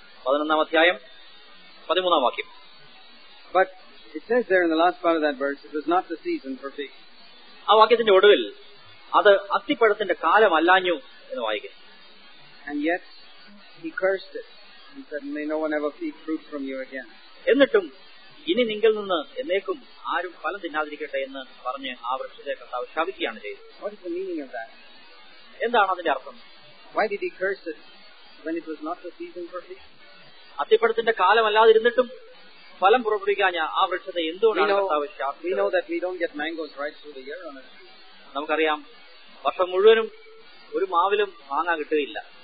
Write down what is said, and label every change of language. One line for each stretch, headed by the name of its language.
Malayalam: 11th അധ്യായം 13th വാക്യം.
English: But it says there in the last part of that verse, it was not the season for fig.
Malayalam: ആ വാക്യത്തിന്റെ ഒടുവിൽ അത് അത്തിപ്പഴത്തിന്റെ കാലമല്ലാഞ്ഞു എന്ന് വായിക്കുന്നു.
English: And yet he cursed it and said, may no one ever eat fruit from you again.
Malayalam: എന്നിട്ടും ഇനി നിങ്ങൾ നിന്ന് എന്നേക്കും ആരും ഫലം തിന്നാതിരിക്കട്ടെ എന്ന് പറഞ്ഞ് ആ വൃക്ഷത്തെ കർത്താവ് ശപിക്കുകയാണ് ചെയ്തത്. എന്താണ് അതിന്റെ അർത്ഥം?
English: Why did he curse it when it was not the season for it?
Malayalam: അത്തിപ്പഴത്തിന്റെ കാലമല്ലാതിരുന്നിട്ടും ഫലം പുറപ്പെടുവിക്കാൻ ആ വൃക്ഷത്തെ എന്തുകൊണ്ടാണ് കർത്താവ് ശാപിച്ചത്?
English: We know that we don't get mangoes right through the year.
Malayalam: നമുക്കറിയാം വർഷം മുഴുവനും ഒരു മാവിലും മാങ്ങ കിട്ടുകയില്ല.